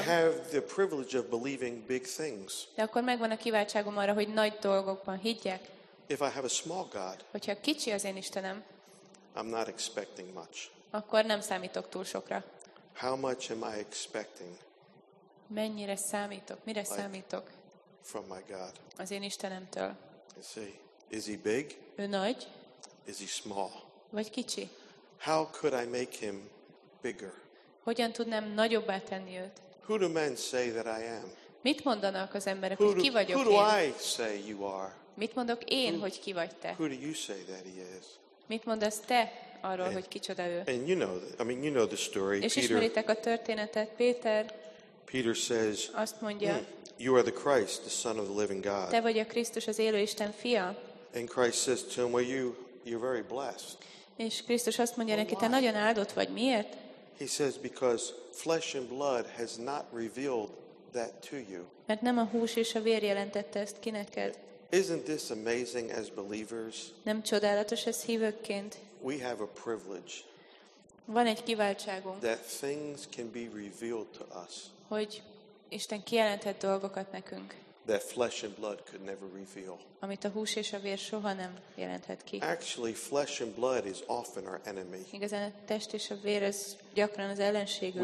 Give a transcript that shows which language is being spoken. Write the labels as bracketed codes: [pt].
[en] I have the privilege of believing big things. [hu] De akkor megvan a kiváltságom arra, hogy nagy dolgokban higgyek. [en] If I have a small God, [hu] hogyha kicsi az én Istenem, [en] I'm not expecting much. [hu] Akkor nem számítok túl sokra. [en] How much am I expecting? [hu] Mennyire számítok? Mire like számítok? [en] From my God. [hu] Az én Istenemtől. [en] See, is he big? [hu] Ő nagy? [en] Is he small? [hu] Vagy kicsi? [en] How could I make him bigger? [hu] Hogyan tudnám nagyobbá tenni őt? [en] Who do men say that I am? [hu] Mit mondanak az emberek, hogy ki vagyok [en] who [hu] én? [en] Who do I say you are? [hu] Mit mondok én, hogy ki vagy te? [en] Who do you say that he is? [hu] Mit mondasz te arról, hogy kicsoda ő? [en] And you know, I mean, you know the story. [hu] És ismeritek a történetet, Péter. [en] Peter says, [hu] azt mondja, [en] you are the Christ, the Son of the living God. [hu] Te vagy a Krisztus, az élő Isten fia. [en] And Christ says to him, well, you're very blessed. [hu] És Krisztus azt mondja neki, te nagyon áldott vagy. Miért? [en] He says, because flesh and blood has not revealed that to you. [hu] Mert nem a hús és a vér jelentette ezt ki neked. [en] Isn't this amazing as believers? [hu] Nem csodálatos ez hívőként? [en] We have a privilege. [hu] Van egy kiváltságunk. [en] That things can be revealed to us. [hu] Hogy Isten kijelentett dolgokat nekünk. [en] That flesh and blood could never reveal. [hu] Amit a hús és a vér soha nem jelenthet ki. [en] Actually, flesh and blood is often our enemy. [hu] Igazán a test és a vér az gyakran az ellenségünk.